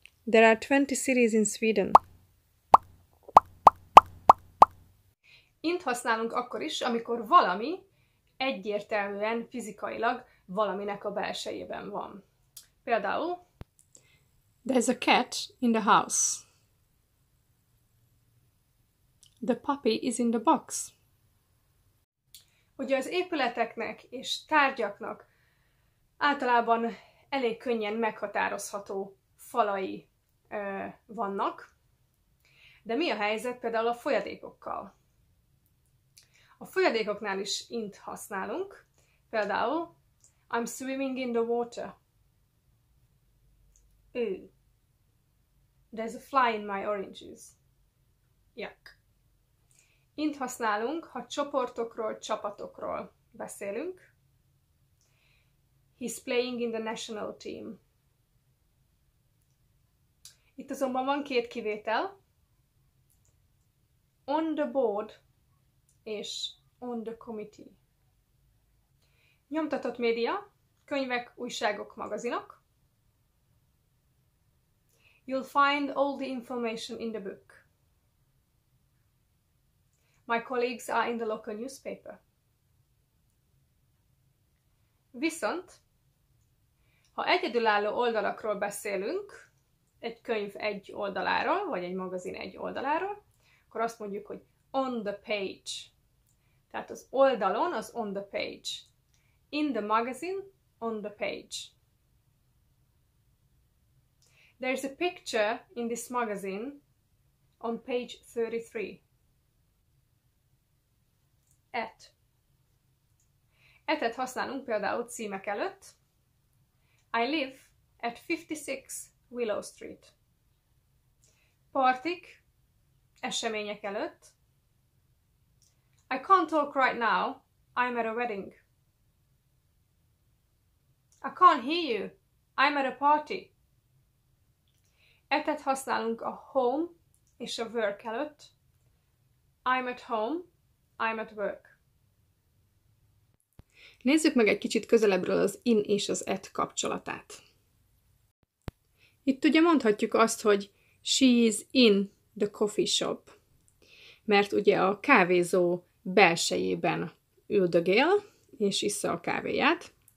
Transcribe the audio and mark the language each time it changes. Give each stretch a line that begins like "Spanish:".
English: There are 20 cities in Sweden.
Hungarian: Int használunk akkor is, amikor valami egyértelműen fizikailag valaminek a belsejében van. Például
English: there's a cat in the house. The puppy is in the box.
Hungarian: Ugye az épületeknek és tárgyaknak általában elég könnyen meghatározható falai vannak, de mi a helyzet például a folyadékokkal? A folyadékoknál is int használunk, például
English: I'm swimming in the water. Ooh, there's a fly in my oranges. Yuck.
Hungarian: Int használunk, ha csoportokról, csapatokról beszélünk.
English: He's playing in the national team.
Hungarian: Itt azonban van két kivétel.
English: On the board
Hungarian: és
English: on the committee.
Hungarian: Nyomtatott média, könyvek, újságok, magazinok.
English: You'll find all the information in the book. My colleagues are in the local newspaper.
Hungarian: Viszont, ha egyedülálló oldalakról beszélünk, egy könyv egy oldaláról, vagy egy magazin egy oldaláról, akkor azt mondjuk, hogy
English: on the page.
Hungarian: Tehát az oldalon az
English: on the page. In the magazine, on the page. There's a picture in this magazine on page 33. At.
Hungarian: At-et használunk például címek előtt.
English: I live at 56 Willow Street.
Hungarian: Partik, események előtt.
English: I can't talk right now, I'm at a wedding. I can't hear you, I'm at a party.
Hungarian: At-et használunk a home és a work előtt.
English: I'm at home, I'm at work.
Hungarian: Nézzük meg egy kicsit közelebbről az in és az at kapcsolatát. Itt ugye mondhatjuk azt, hogy
English: she is in the coffee shop,
Hungarian: mert ugye a kávézó belsejében üldögél, és issza a kávéját.